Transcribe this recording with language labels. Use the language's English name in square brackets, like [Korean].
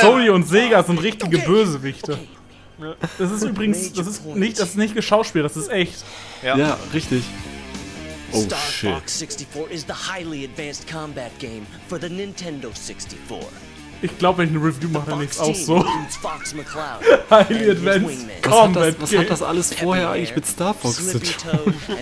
[German] Sony und Sega sind richtige Bösewichte. Das ist übrigens, das ist nicht geschauspielt, das ist echt. Ja, richtig. [English] Oh, shit. Star Fox 64 is the highly advanced combat game for the Nintendo 64. [German] Ich glaube, wenn ich eine Review mache, dann ist es auch so. [English] Highly Advanced Combat Game. [German] Was hat das alles vorher eigentlich mit Star Fox zu tun?